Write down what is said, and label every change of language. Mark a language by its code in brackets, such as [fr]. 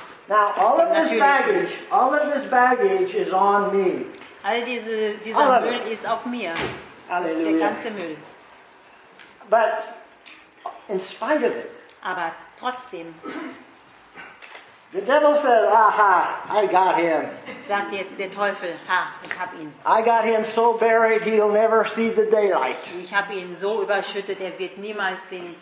[en] Now all of this baggage, is on me. [de] All dieser Müll ist auf mir. Halleluja. Der ganze Müll. [en] But in spite of it. [de] Aber trotzdem. [en] The devil said, "Aha, I got him." [de] Sagt jetzt der Teufel, ha, ich hab ihn. [en] I got him so buried, he'll never see the daylight. [de] Ich hab ihn so überschüttet, er wird niemals den